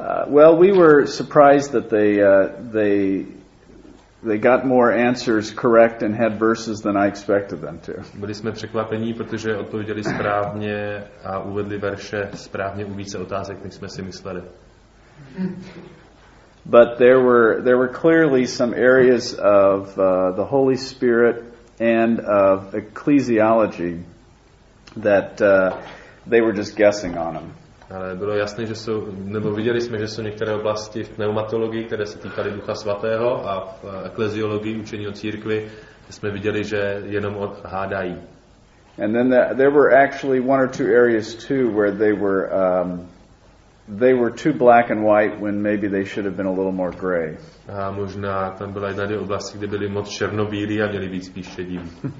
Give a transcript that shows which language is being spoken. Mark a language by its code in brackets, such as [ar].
[en] Well, we were surprised that they got more answers correct and had verses than I expected them to. [cs] Byli jsme překvapení, protože odpověděli správně a uvedli verše správně u více otázek, než jsme si mysleli. [en] But there were clearly some areas of the Holy Spirit and of ecclesiology that they were just guessing on them. [cs] Ale bylo jasné, že jsou, nebo viděli jsme, že jsou některé oblasti v pneumatologii, které se týkaly Ducha Svatého, a v ekleziologii, učení o církvi, jsme viděli, že jenom hádají. [en] And then there were actually one or two areas too where they were too black and white when maybe they should have been a little more gray. [cs] A možná tam byla jedna oblasti, kde byly moc černobílí a měli být spíš šedivý.